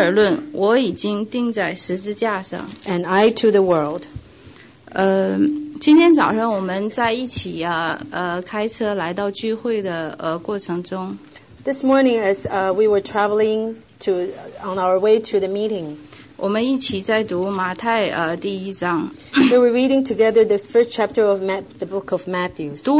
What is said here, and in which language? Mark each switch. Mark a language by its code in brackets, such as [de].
[zh] 世界已经钉在十字架上。就世界而论，我已经钉在十字架上。 [en] And I to the world. [zh] 今天早上我们在一起开车来到聚会的过程中。 [en] This morning as we were traveling to on our way to the meeting. [zh] 我们一起在读马太第一章。 [en] We were reading together the first chapter of the book of Matthew.